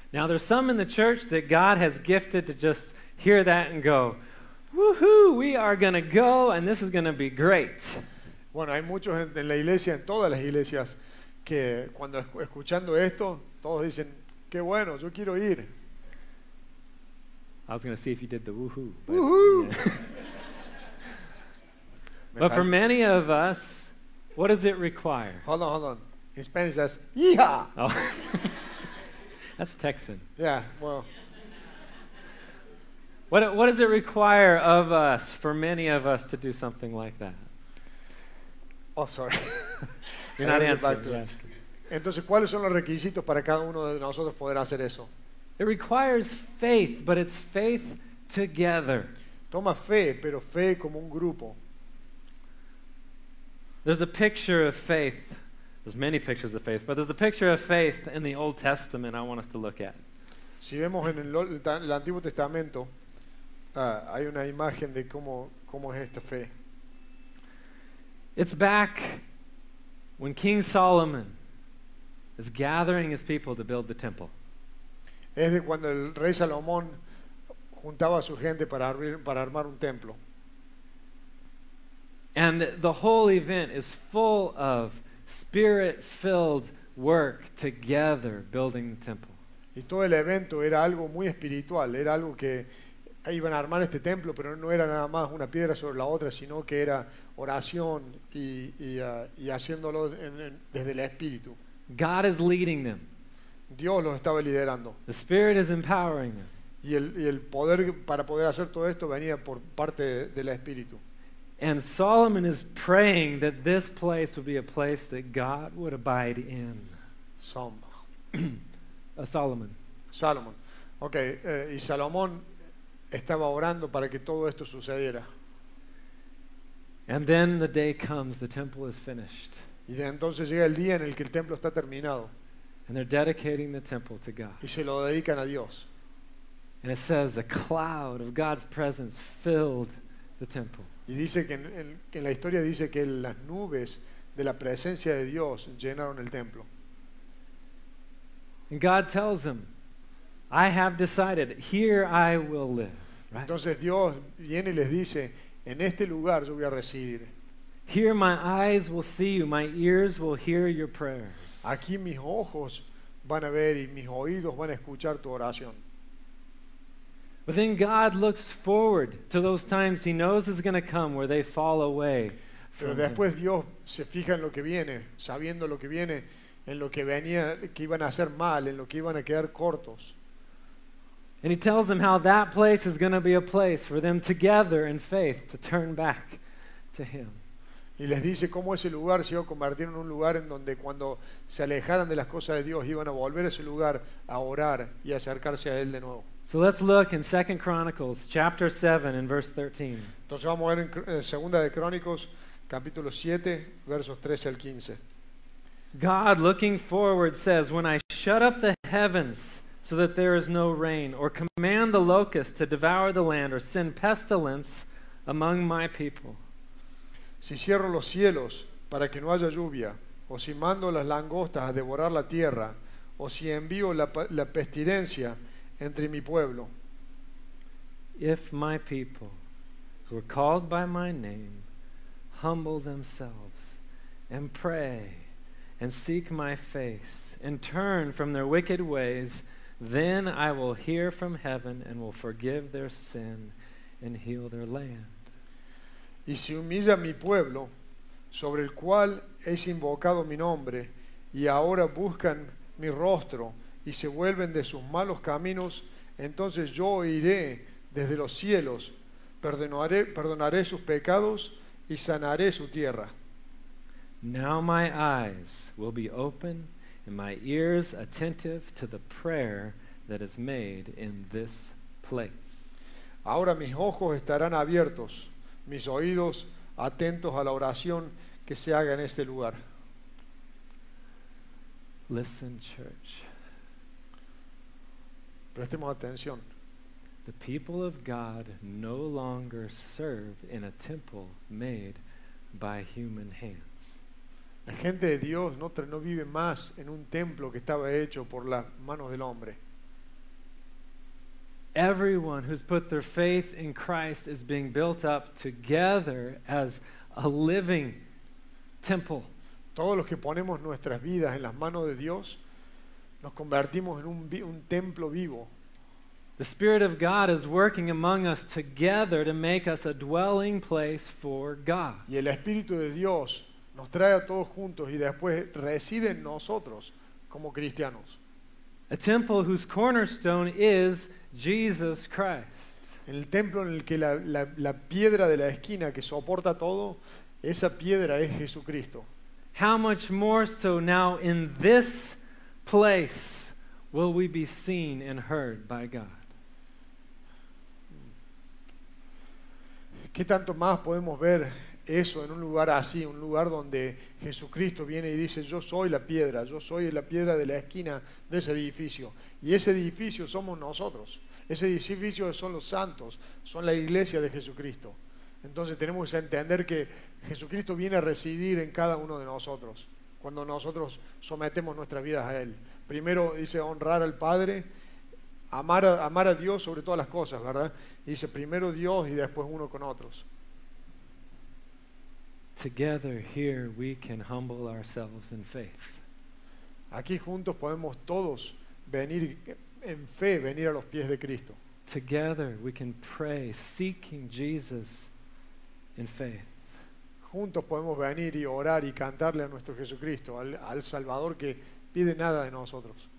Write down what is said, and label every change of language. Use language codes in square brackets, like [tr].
[en] Now there's some in the church that God has gifted to just hear that and go, woohoo, we are going to go and this is going to be great. [es] Bueno, hay muchos en la iglesia, en todas las iglesias, que cuando escuchando esto, todos dicen, qué bueno, yo quiero ir. [en] I was going to see if you did the woohoo. Woohoo! Yeah. But for many of us, what does it require? Hold on. In Spanish, that's yeehaw. Oh. That's Texan. Yeah, well. What does it require of us, for many of us, to do something like that? Oh, sorry. You're not answering. [es] Entonces, ¿cuáles son los requisitos para cada uno de nosotros poder hacer eso? [en] It requires faith, but it's faith together. [es] Toma fe, pero fe como un grupo. [en] There's a picture of faith. There's many pictures of faith, but there's a picture of faith in the Old Testament I want us to look at. [es] Si vemos en el Antiguo Testamento, hay una imagen de cómo es esta fe. [en] It's back when King Solomon is gathering his people to build the temple. [es] Es de cuando el rey Salomón juntaba a su gente para armar un templo. [en] And the whole event is full of spirit-filled work together building the temple. [es] Y todo el evento era algo muy espiritual, era algo que iban a armar este templo, pero no era nada más una piedra sobre la otra, sino que era oración y haciéndolo desde el espíritu. [en] God is leading them. [es] Dios los estaba liderando. [en] The Spirit is empowering them. [es] Y el poder para poder hacer todo esto venía por parte del espíritu. [en] And Solomon is praying that this place would be a place that God would abide in. Solomon. Solomon. [es] Okay, y Salomón estaba orando para que todo esto sucediera. [en] And then the day comes, the temple is finished. [es] Y entonces llega el día en el que el templo está terminado. [en] And they're dedicating the temple to God. [es] Y se lo dedican a Dios. [en] And it says a cloud of God's presence filled the temple. [es] Y dice que en la historia dice que las nubes de la presencia de Dios llenaron el templo. [en] And God tells him, I have decided, here I will live. Right? [es] Entonces Dios viene y les dice, en este lugar yo voy a residir. [en] Here my eyes will see you, my ears will hear your prayers. [es] Aquí mis ojos van a ver y mis oídos van a escuchar tu oración. [en] But then God looks forward to those times he knows is going to come where they fall away. [es] Pero después Dios se fija en lo que viene, sabiendo lo que viene, en lo que venía, que iban a hacer mal, en lo que iban a quedar cortos. [en] And he tells them how that place is going to be a place for them together in faith to turn back to him. [es] Y les dice cómo ese lugar se iba a convertir en un lugar en donde cuando se alejaran de las cosas de Dios iban a volver a ese lugar a orar y acercarse a él de nuevo. [en] So let's look in 2 Chronicles chapter 7 and verse 13. [es] Entonces vamos a ver en 2 de Crónicos capítulo 7 versos 13 al 15. [en] God looking forward says, when I shut up the heavens so that there is no rain, or command the locusts to devour the land, or send pestilence among my people. [es] Si cierro los cielos para que no haya lluvia, o si mando las langostas a devorar la tierra, o si envío la pestilencia entre mi pueblo. [en] If my people, who are called by my name, humble themselves and pray and seek my face and turn from their wicked ways, then I will hear from heaven and will forgive their sin and heal their land. [es] Y si humilla mi pueblo, sobre el cual es invocado mi nombre, y ahora buscan mi rostro y se vuelven de sus malos caminos, entonces yo oiré desde los cielos, perdonaré sus pecados y sanaré su tierra. [en] Now my eyes will be open and my ears attentive to the prayer that is made in this place. [es] Ahora mis ojos estarán abiertos, mis oídos atentos a la oración que se haga en este lugar. [en] Listen, church. [es] Prestemos atención. [en] The people of God no longer serve in a temple made by human hands. [es] La gente de Dios no vive más en un templo que estaba hecho por las manos del hombre. [en] Everyone who's put their faith in Christ is being built up together as a living temple. [es] Todos los que ponemos nuestras vidas en las manos de Dios nos convertimos en un templo vivo. [en] The Spirit of God is working among us together to make us a dwelling place for God. [es] Y el Espíritu de Dios nos trae a todos juntos y después reside en nosotros como cristianos. [en] A temple whose cornerstone is Jesus Christ. [es] En el templo en el que la piedra de la esquina que soporta todo, esa piedra es Jesucristo. [en] How much more so now in this place will we be seen and heard by God? [es] ¿Qué tanto más podemos ver eso en un lugar así, un lugar donde Jesucristo viene y dice, yo soy la piedra, yo soy la piedra de la esquina de ese edificio, y ese edificio somos nosotros, ese edificio son los santos, son la iglesia de Jesucristo? Entonces tenemos que entender que Jesucristo viene a residir en cada uno de nosotros cuando nosotros sometemos nuestras vidas a Él. Primero dice honrar al Padre, amar a Dios sobre todas las cosas, ¿verdad? Y dice primero Dios y después uno con otros. [en] Together here we can humble ourselves in faith. [es] Aquí juntos podemos todos venir en fe, venir a los pies de Cristo. [en] Together we can pray, seeking Jesus in faith. [es] Juntos podemos venir y orar y cantarle a nuestro Jesucristo, al Salvador que pide nada de nosotros.